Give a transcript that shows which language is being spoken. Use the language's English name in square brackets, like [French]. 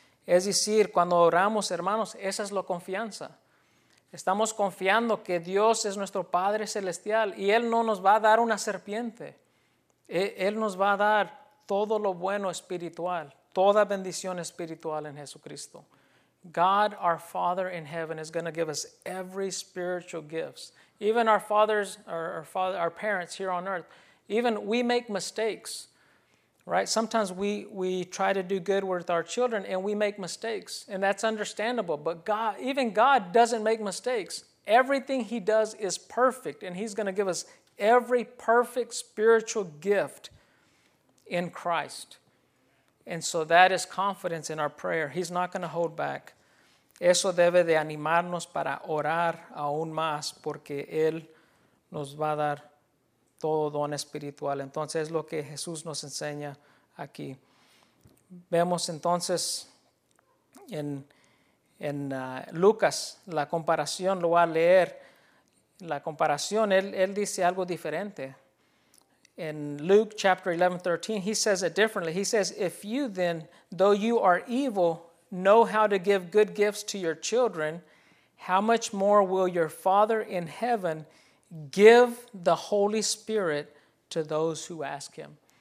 [Spanish] Es decir, cuando oramos, hermanos, esa es la confianza. Estamos confiando que Dios es nuestro Padre celestial y Él no nos va a dar una serpiente. Él nos va a dar todo lo bueno espiritual, toda bendición espiritual en Jesucristo. [English] God, our Father in heaven, is going to give us every spiritual gift. Even our fathers, our parents here on earth, even we make mistakes, right? Sometimes we try to do good with our children and we make mistakes, and that's understandable. But God, even God doesn't make mistakes. Everything He does is perfect, and He's going to give us every perfect spiritual gift in Christ. And so that is confidence in our prayer. He's not going to hold back. [Spanish] Eso debe de animarnos para orar aún más porque Él nos va a dar todo don espiritual. Entonces es lo que Jesús nos enseña aquí. Vemos entonces en Lucas la comparación, lo voy a leer. La comparación, él dice algo diferente. [English] In Luke chapter 11, 13, he says it differently. He says, if you then, though you are evil, know how to give good gifts to your children, how much more will your Father in heaven give the Holy Spirit to those who ask Him?